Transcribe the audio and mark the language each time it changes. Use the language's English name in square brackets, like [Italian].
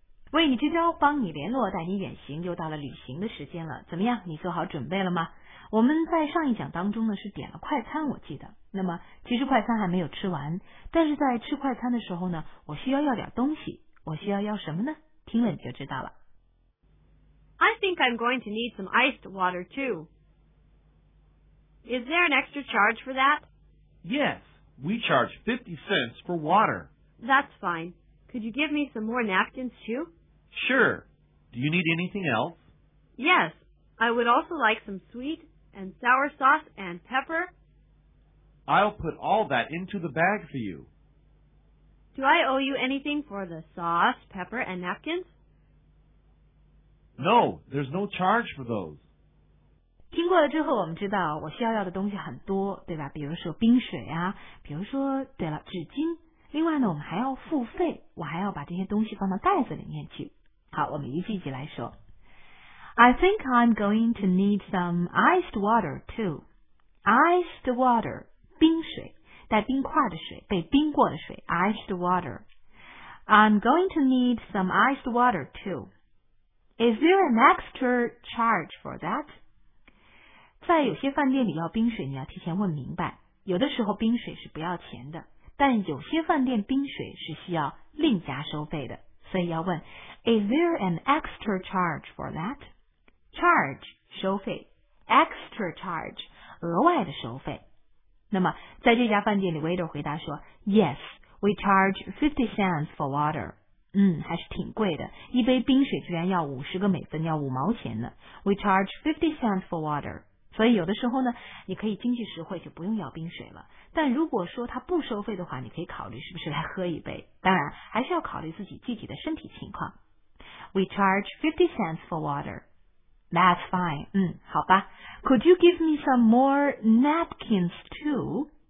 [Chinese] 为你支招，帮你联络，带你远行，又到了旅行的时间了。怎么样，你做好准备了吗？我们在上一讲当中呢是点了快餐，我记得，那么其实快餐还没有吃完，但是在吃快餐的时候呢，我需要要点东西。我需要要什么呢？听了你就知道了。 [English] I think I'm going to need some iced water too. Is there an extra charge for that? Yes, we charge 50 cents for water. That's fineCould you give me some more napkins, too? Sure. Do you need anything else? Yes. I would also like some sweet and sour sauce and pepper. I'll put all that into the bag for you. Do I owe you anything for the sauce, pepper, and napkins? No, there's no charge for those. [Chinese] 听过了之后我们知道我需要要的东西很多，对吧？比如说冰水啊，比如说，对了，纸巾。另外呢我们还要付费，我还要把这些东西放到袋子里面去。好，我们一句一句来说。 [English] I think I'm going to need some iced water too. Iced water, [Chinese] 冰水，带冰块的水，被冰过的水， iced water. [English] I'm going to need some iced water too. Is there an extra charge for that? [Chinese] 在有些饭店里要冰水，你要提前问明白。有的时候冰水是不要钱的，但有些饭店冰水是需要另加收费的，所以要问 [English] Is there an extra charge for that? [Chinese] Charge 收费， extra charge 额外的收费。那么在这家饭店里， waiter 回答说 [English] Yes, we charge 50 cents for water。 [Chinese] 嗯，还是挺贵的，一杯冰水居然要50个美分，要5钱呢。 [English] We charge 50 cents for water。 [Chinese] 所以有的时候呢，你可以经济实惠就不用要冰水了，但如果说它不收费的话，你可以考虑是不是来喝一杯，当然还是要考虑自己具体的身体情况。 [English] We charge 50 cents for water。 That's fine。 [Chinese] 嗯，好吧。 [English] Could you give me some more napkins too?